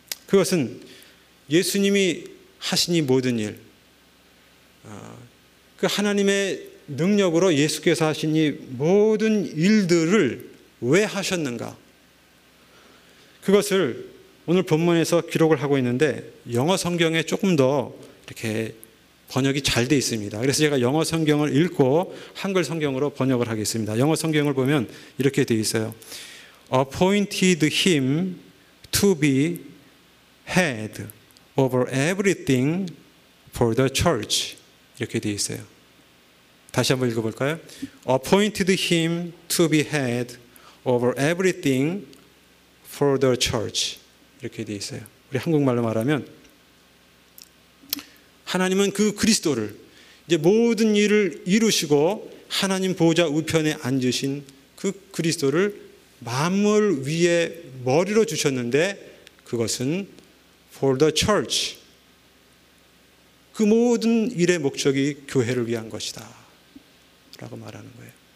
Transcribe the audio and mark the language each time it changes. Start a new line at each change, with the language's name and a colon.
Korean: 그것은 예수님이 하신 이 모든 일, 그 하나님의 능력으로 예수께서 하신 이 모든 일들을 왜 하셨는가? 그것을 오늘 본문에서 기록을 하고 있는데 영어 성경에 조금 더 이렇게 번역이 잘 돼 있습니다. 그래서 제가 영어 성경을 읽고 한글 성경으로 번역을 하겠습니다. 영어 성경을 보면 이렇게 돼 있어요.
English: Appointed him to be head over everything for the church.
Korean: 이렇게 돼 있어요. 다시 한번 읽어볼까요?
English: Appointed him to be head over everything for the church.
Korean: 이렇게 돼 있어요. 우리 한국말로 말하면 하나님은 그 그리스도를 이제 모든 일을 이루시고 하나님 보좌 우편에 앉으신 그 그리스도를 만물 위에 머리로 주셨는데 그것은
English: for the church,
Korean: 그 모든 일의 목적이 교회를 위한 것이다 라고 말하는 거예요.